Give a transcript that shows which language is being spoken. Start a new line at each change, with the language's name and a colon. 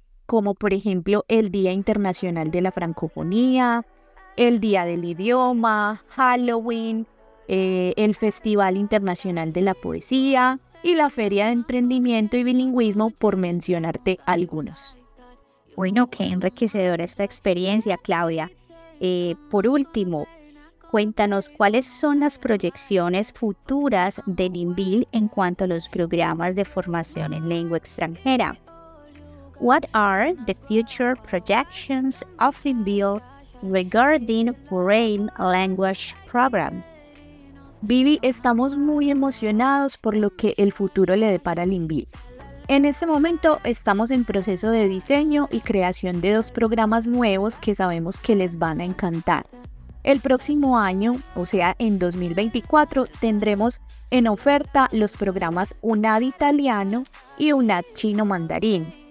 Spanish: como por ejemplo el Día Internacional de la Francofonía, el Día del Idioma, Halloween, el Festival Internacional de la Poesía y la Feria de Emprendimiento y Bilingüismo, por mencionarte algunos. Bueno, qué enriquecedora esta experiencia, Claudia. Por último, cuéntanos cuáles son las proyecciones futuras de NIMBIL en cuanto a los programas de formación en lengua extranjera.
English: What are the future projections of NIMBIL regarding foreign language program?
Spanish: Vivi, estamos muy emocionados por lo que el futuro le depara a NIMBIL. En este momento estamos en proceso de diseño y creación de dos programas nuevos que sabemos que les van a encantar. El próximo año, o sea en 2024, tendremos en oferta los programas UNAD Italiano y UNAD Chino Mandarín.